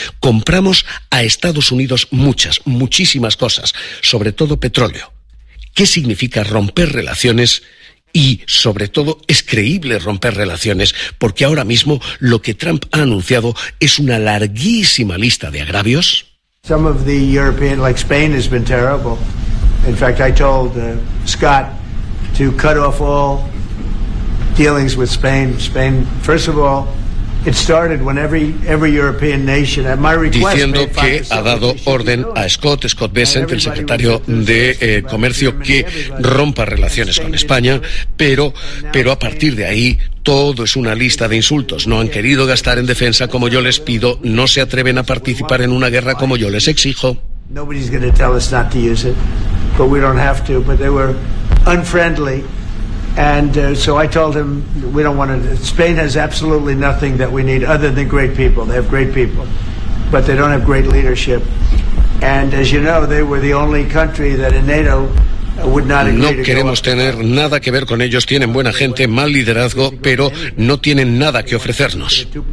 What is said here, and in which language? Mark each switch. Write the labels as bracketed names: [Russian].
[Spanish] Compramos a Estados Unidos muchas, muchísimas cosas, sobre todo petróleo. ¿Qué significa romper relaciones? Y, sobre todo, es creíble romper relaciones, porque ahora mismo lo que Trump ha anunciado es una larguísima lista de agravios. [English] Some of the European, like Spain, has been terrible. In fact, I told Scott to cut off all dealings with Spain. Spain, first of all, [Spanish] diciendo que ha dado orden a Scott Bessent, el secretario de Comercio, que rompa relaciones con España, pero a partir de ahí todo es una lista de insultos. No han querido gastar en defensa como yo les pido, no se atreven a participar en una guerra como yo les exijo. [English] Nobody's going to tell us not to use it, but we don't have to. But they were unfriendly, and so I told him we don't want to. Spain has absolutely nothing that we need other than great people. They have great people, but they don't have great leadership. And as you know, they were the only country that in NATO. [Spanish] No queremos tener nada que ver con ellos. Tienen buena gente, mal liderazgo, pero no tienen nada que ofrecernos.